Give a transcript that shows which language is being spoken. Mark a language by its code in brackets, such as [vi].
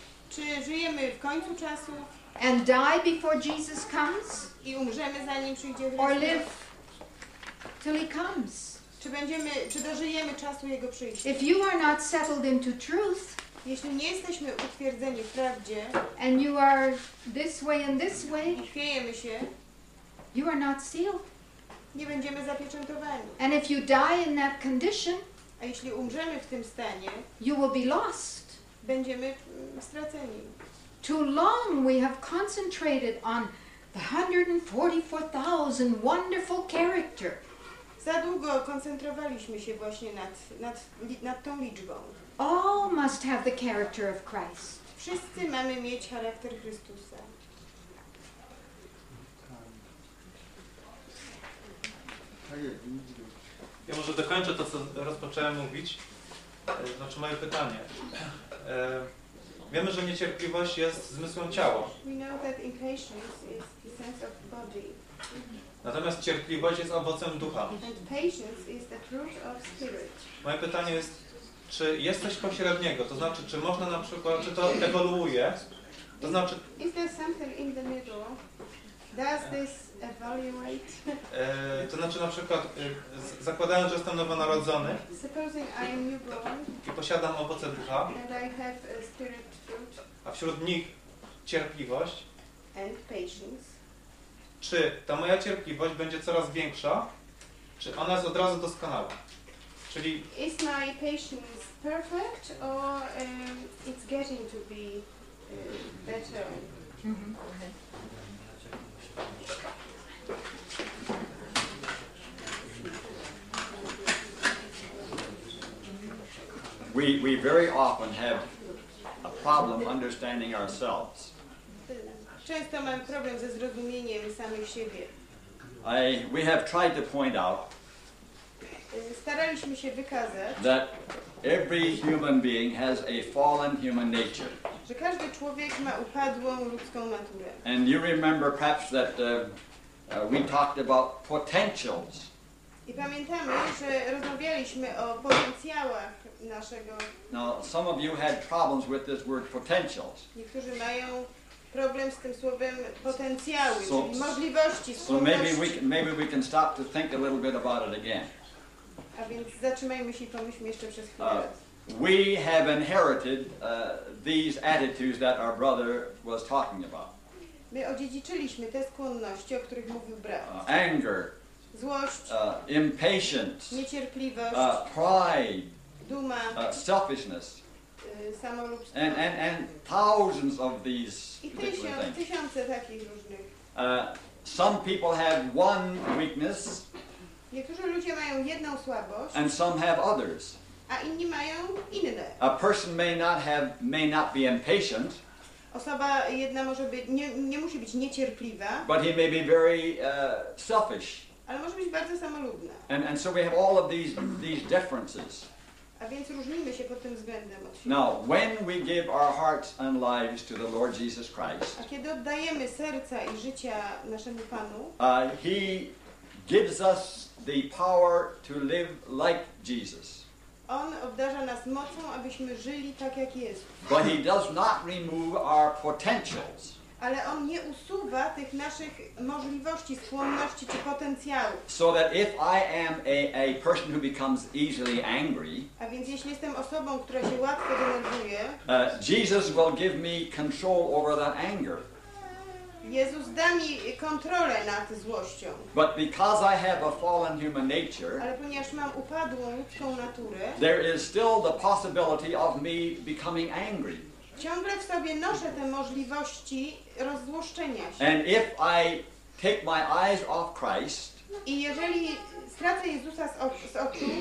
[pl] czy żyjemy w końcu czasu, [en] and die before Jesus comes, [pl] i umrzemy zanim przyjdzie Chrystus, [en] or live till he comes. [pl] Czy dożyjemy czasu jego przyjścia? [en] If you are not settled into truth, [pl] jeśli nie jesteśmy utwierdzeni w prawdzie, [en] and you are this way and this way, [pl] i chwiejemy się, [en] you are not sealed. [pl] Nie będziemy zapieczętowani. [en] And if you die in that condition, [pl] a jeśli umrzemy w tym stanie, [en] you will be lost. [pl] Będziemy straceni. [en] Too long we have concentrated on the 144,000 wonderful character. [pl] Za długo koncentrowaliśmy się właśnie nad tą liczbą. [en] All must have the character of Christ. [pl] Wszyscy mamy mieć charakter Chrystusa. Ja może dokończę to, co rozpocząłem mówić. Znaczy moje pytanie. Wiemy, że niecierpliwość jest zmysłem ciała. [en] We know that impatience is the sense of body. [pl] Natomiast cierpliwość jest owocem ducha. [en] And patience is the fruit of spirit. [pl] Moje pytanie jest, czy jest coś pośredniego? To znaczy, czy można na przykład, czy to ewoluuje? To znaczy, [en] is there something in the middle? Does this evaluate? [pl] To znaczy na przykład, zakładając, że jestem nowonarodzony, [en] supposing I am newborn, [pl] i posiadam owoce ducha, [en] and I have a spirit fruit, [pl] a wśród nich cierpliwość, [en] and patience. [pl] Czy ta moja cierpliwość będzie coraz większa, czy ona jest od razu doskonała? Czyli [en] is my patience perfect or it's getting to be better? Mm-hmm. We very often have a problem understanding ourselves. [pl] Często mam problem ze zrozumieniem samych siebie. [en] We have tried to point out, [pl] staraliśmy się wykazać, [en] that every human being has a fallen human nature. [pl] Że każdy człowiek ma upadłą ludzką naturę. [en] And you remember perhaps that we talked about potentials. [pl] I pamiętamy, że rozmawialiśmy o potencjałach naszego. [en] Now some of you had problems with this word potentials. [pl] Niektórzy mają problem z tym słowem potencjały, so, czyli możliwości. [en] So maybe we can stop to think a little bit about it again. [pl] A więc zatrzymajmy się i pomyślmy jeszcze przez chwilę. [en] We have inherited these attitudes that our brother was talking about. [pl] My odziedziczyliśmy te skłonności, o których mówił brat. [en] Anger. [pl] Złość. [en] Impatience. [pl] Niecierpliwość. [en] Pride. [pl] Duma. [en] Selfishness. And thousands of these [pl] tysiące [en] things. [pl] Takich różnych. [en] Some people have one weakness. [pl] Niektórzy ludzie mają jedną słabość. [en] And some have others. [pl] A inni mają inne. [en] A person may not be impatient. [pl] Osoba jedna może być, nie musi być niecierpliwa. [en] But he may be very selfish. [pl] Ale może być bardzo samolubna. [en] And so we have all of these differences. [pl] A więc różnimy się pod tym względem. [en] Now, when we give our hearts and lives to the Lord Jesus Christ, [pl] a kiedy oddajemy serca i życia naszemu Panu, [en] He gives us the power to live like Jesus. [pl] On obdarza nas mocą, abyśmy żyli tak jak Jezus. [en] But He does not remove our potentials. [pl] Ale On nie usuwa tych naszych możliwości, skłonności czy potencjału. [en] So that if I am a person who becomes easily angry, [pl] a więc jeśli jestem osobą, która się łatwo denerwuje, [en] Jesus will give me control over that anger. [pl] Jezus da mi kontrolę nad złością. [en] But because I have a fallen human nature, [pl] ale ponieważ mam upadłą ludzką naturę, [en] there is still the possibility of me becoming angry. [pl] Ciągle w sobie noszę te możliwości rozzłoszczenia się. [en] And if I take my eyes off Christ, [pl] i jeżeli stracę Jezusa z oczu,